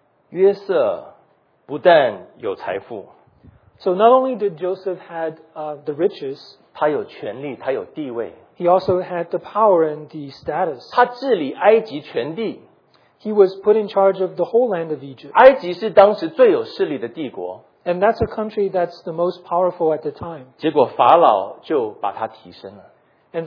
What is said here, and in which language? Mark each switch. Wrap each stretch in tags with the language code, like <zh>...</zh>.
<zh>约瑟不但有财富,</zh> <en>so not only did Joseph had the riches,</en> <zh>他有权力, 他有地位,</zh> <en>he also had the power and the status.</en> <zh>他治理埃及全地,</zh> <en>he was put in charge of the whole land of Egypt.</en> <zh>埃及是当时最有势力的帝国,</zh> <en>and that's a country that's the most powerful at the time.</en> <zh>结果法老就把他提升了。</zh> <en>And</en>